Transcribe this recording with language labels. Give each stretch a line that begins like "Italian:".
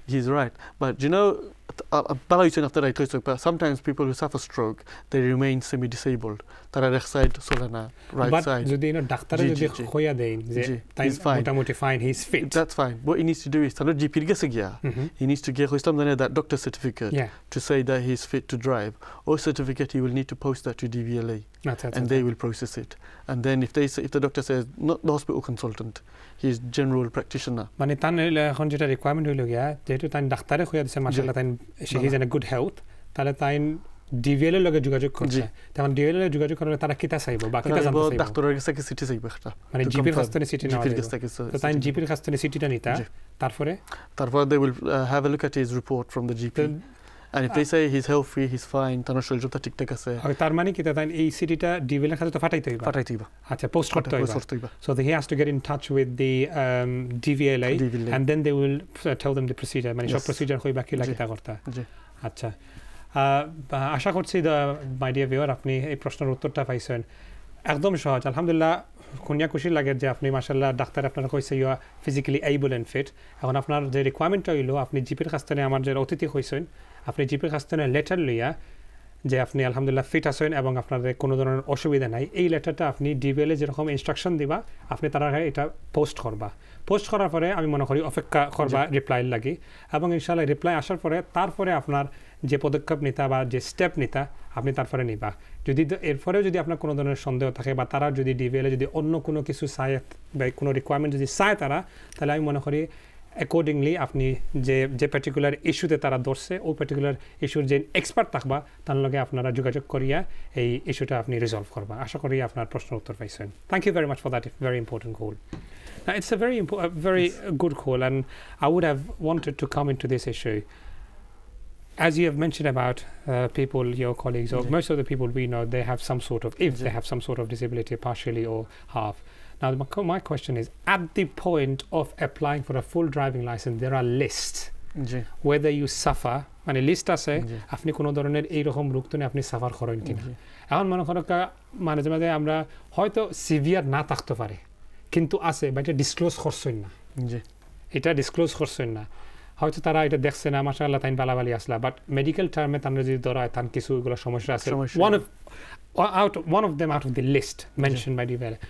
English: he is right, but you know
Bangla: ভালো হয়েছে
English: after I talk, but sometimes people who suffer stroke they remain semi disabled,
Bangla: তারা left side চলে না right side. যদি ইনো doctor যদি কইয়া দেন যে তাই মোটামুটি fine,
English: he is fit, that's fine, but he needs to do is
Bangla: তার জিপি এর কাছে গিয়া,
English: He needs to get uh something that doctor certificate to say that he is fit to drive, or certificate he will need to post that to DVLA, and they will process it. And then if the doctor says, not the hospital consultant, he's general practitioner.
Bangla: মানে তান এখন যেটা requirement হইলো গিয়া, যেহেতু তান ডাক্তারে হইয়া দিছে মাশাআল্লাহ, তাইন
English: সে he's in a good health,
Bangla: তাহলে তাইন DVLA লগে যোগাযোগ করছে। তখন DVLA লগে যোগাযোগ করলে তারা কিতা চাইবো বা কিতা জানতে চাইবো? ডাক্তারের কাছে কি সিটি চাইবো? একটা মানে জিপির কাছ থেকে সিটি নাও, তাইন জিপির কাছ থেকে সিটিটা নিতা, তারপরে
English: they will have a look at his report from the GP. And if they say he's healthy, he's fine,
Bangla: তার শরীর যত ঠিকঠাক আছে। আর তার মানে কি তাই এই সিটিটা ডিভেলের কাছে তো ফাটাইতে হইবা। ফাটাইতে হইবা। আচ্ছা, পোস্ট করতে হইবা। পোস্ট করতে হইবা।
English: So he has to get in touch with the DVLA, and then they will tell them the procedure.
Bangla: মানে সব প্রসিডিউর হই বাকি লাগে তা করতে। জি। আচ্ছা। আশা করছি মাই ডিয়ার ভিউয়ার আপনি এই প্রশ্নের উত্তরটা পাইছেন। একদম সহজ, আলহামদুলিল্লাহ। খুনিয়া খুশি লাগে যে আপনি মাশাআল্লাহ ডাক্তার আপনার কইছে
English: You are physically able and fit.
Bangla: এখন আপনার যে রিকোয়ারমেন্ট হইলো, আপনি জিপির কাছ থেকে, আমার যে অতিথি হয়েছেন, আপনি জিপির কাছ থেকে লেটার লইয়া যে আপনি আলহামদুলিল্লাহ ফিট আছেন এবং আপনাদের কোনো ধরনের অসুবিধা নাই, এই লেটারটা আপনি ডিভিএলে যেরকম ইনস্ট্রাকশন দিবা আপনি তারা এটা পোস্ট করবা। পোস্ট করার পরে আমি মনে করি অপেক্ষা করবা রিপ্লাই লাগে, এবং ইনশাআল্লাহ রিপ্লাই আসার পরে তারপরে আপনার যে পদক্ষেপ নিতা বা যে স্টেপ নিতা আপনি তারপরে নিবা। যদি এরপরেও যদি আপনার কোনো ধরনের সন্দেহ থাকে বা তারা যদি ডিভিএলে যদি অন্য কোনো কিছু চায় বা কোনো রিকোয়ারমেন্ট যদি চায় তারা, তাহলে আমি মনে করি অ্যাকর্ডিংলি আপনি যে যে পার্টিকুলার ইস্যুতে তারা ধরছে ওই পার্টিকুলার ইস্যুর যে এক্সপার্ট থাকবা তার লগে আপনারা যোগাযোগ করিয়া এই ইস্যুটা আপনি রিজলভ করবা। আশা করি আপনার প্রশ্ন উত্তর পাইছেন।
English: Thank you very much for that very important call. Now it's a very very good call, and I would have wanted to come into this issue. As you have mentioned about people, your colleagues, or most of the people we know, they have some sort of, if they have some sort of disability, partially or half. Now, my question is, at the point of applying for a full driving license, there are lists whether you suffer.
Bangla: মানে list আছে আপনি কোনো ধরনের এইরকম রোগ তো নিয়ে আপনি সাফার করেন কিনা। এখন মনে করো মাঝে মাঝে আমরা হয়তো সিভিয়ার না থাকতে পারে কিন্তু আছে, বা এটা ডিসক্লোজ করছেন না, এটা ডিসক্লোজ করছেন না, হয়তো তারা এটা দেখছে না, মাশাআল্লাহ তাই বালাবালি আসলা, বাট মেডিকেল টার্মে তারা যদি ধরা হয় তার কিছু ওইগুলো সমস্যা আছে,
English: One of the list mention by DVLA.